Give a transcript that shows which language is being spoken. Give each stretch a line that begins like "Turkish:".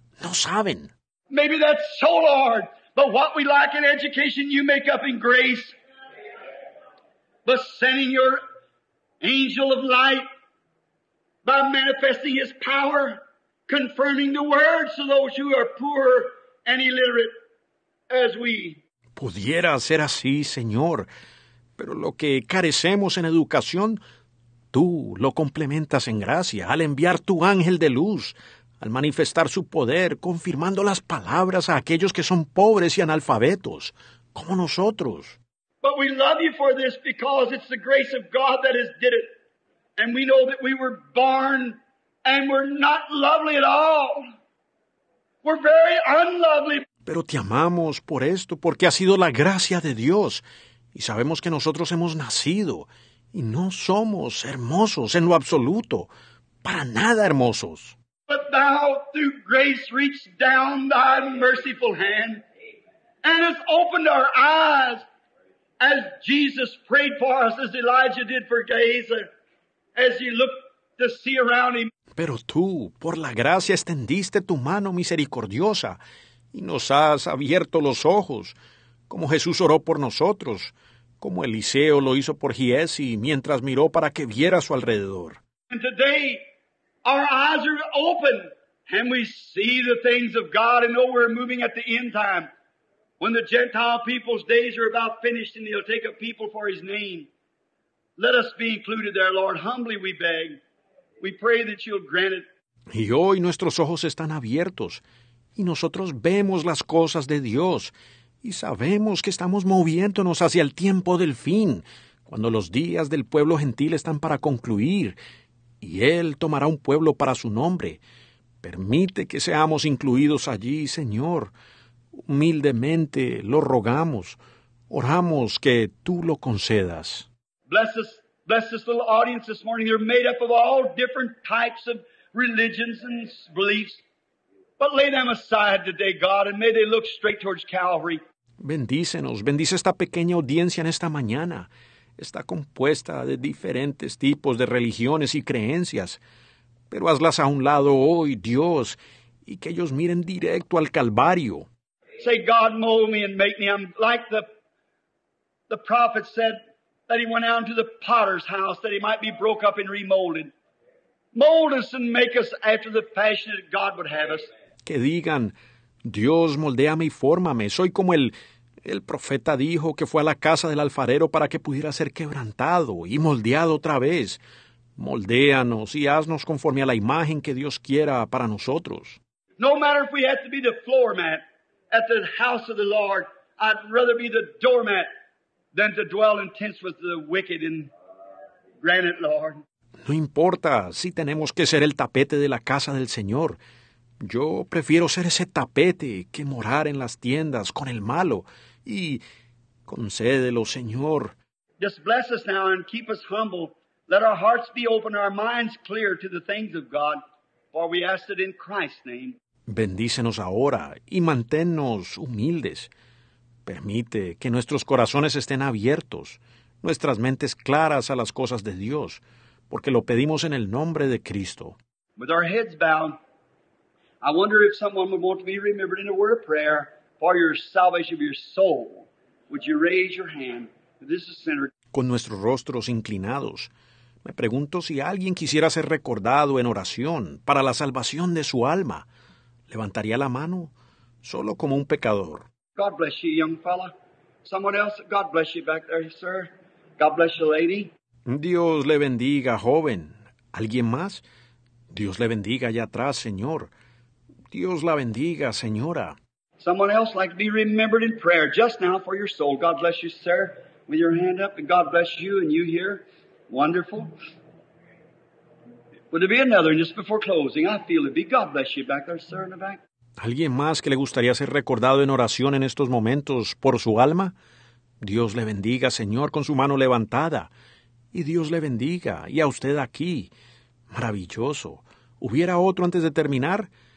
Spanish: No saben.
English: Maybe that's so, Lord. But what we lack in education, you make up in grace. But sending your angel of light, by manifesting his power, confirming the words to those who are poor and illiterate as we.
Spanish: Pudiera ser así, Señor, pero lo que carecemos en educación, tú lo complementas en gracia al enviar tu ángel de luz, al manifestar su poder, confirmando las palabras a aquellos que son pobres y analfabetos, como nosotros.
English: But we love you for this because it's the grace of God that has did it. And we know that we were born and we're not lovely at all. We're very unlovely.
Spanish: Pero te amamos por esto, porque ha sido la gracia de Dios. Y sabemos que nosotros hemos nacido y no somos hermosos en lo absoluto, para nada hermosos.
English: But thou, through grace, reached down thy merciful hand and has opened our eyes as Jesus prayed for us, as Elijah did for Gehazi. As he looked to see around him.
Spanish: Pero tú, por la gracia, extendiste tu mano misericordiosa y nos has abierto los ojos, como Jesús oró por nosotros, como Eliseo lo hizo por Giesi mientras miró para que viera a su alrededor.
English: And today, our eyes are open, and we see the things of God, and know we're moving at the end time, when the Gentile people's days are about finished, and he'll take a people for his name. Let us be included there, Lord. Humbly we beg. We pray that you'll grant it.
Spanish: Y hoy nuestros ojos están abiertos, y nosotros vemos las cosas de Dios, y sabemos que estamos moviéndonos hacia el tiempo del fin, cuando los días del pueblo gentil están para concluir, y Él tomará un pueblo para su nombre. Permite que seamos incluidos allí, Señor. Humildemente lo rogamos. Oramos que tú lo concedas.
English: Bless this little audience this morning. They're made up of all different types of religions and beliefs. But lay them aside today, God, and may they look straight towards Calvary.
Spanish: Bendícenos. Bendice esta pequeña audiencia en esta mañana. Está compuesta de diferentes tipos de religiones y creencias. Pero hazlas a un lado hoy, Dios, y que ellos miren directo al Calvario.
English: Say, God, mold me and make me. I'm like the prophet said, that he went out into the potter's house, that he might be broke up and remolded. Mold us and make us after the fashion that God would have us.
Spanish: Que digan, Dios, moldéame y fórmame. Soy como el profeta dijo que fue a la casa del alfarero para que pudiera ser quebrantado y moldeado otra vez. Moldéanos y haznos conforme a la imagen que Dios quiera para nosotros.
English: No matter if we have to be the floor mat at the house of the Lord, I'd rather be the doormat than to dwell in tents with the wicked in granite, Lord.
Spanish: No importa si tenemos que ser el tapete de la casa del Señor. Yo prefiero ser ese tapete que morar en las tiendas con el malo. Y concédelo, Señor.
English: Just bless us now and keep us humble. Let our hearts be open, our minds clear to the things of God, for we ask it in Christ's name.
Spanish: Bendícenos ahora y manténnos humildes. Permite que nuestros corazones estén abiertos, nuestras mentes claras a las cosas de Dios, porque lo pedimos en el nombre de Cristo.
English: With our heads bowed, I wonder if someone would want to be remembered in a word of prayer for your salvation of your soul. Would you raise your hand? This is sinner.
Spanish: Con nuestros rostros inclinados, me pregunto si alguien quisiera ser recordado en oración para la salvación de su alma. ¿Levantaría la mano? Solo como un pecador.
English: God bless you, young fella. Someone else, God bless you back there, sir. God bless you, lady.
Spanish: Dios le bendiga, joven. ¿Alguien más? Dios le bendiga allá atrás, señor. Dios la bendiga, señora.
English: Someone else like to be remembered in prayer just now for your soul. God bless you, sir. With your hand up, and God bless you and you here. Wonderful. Would there be another, and just before closing, I feel it be. God bless you back there, sir, in the back.
Spanish: ¿Alguien más que le gustaría ser recordado en oración en estos momentos por su alma? Dios le bendiga, Señor, con su mano levantada. Y Dios le bendiga, y a usted aquí. Maravilloso. ¿Hubiera otro antes de terminar?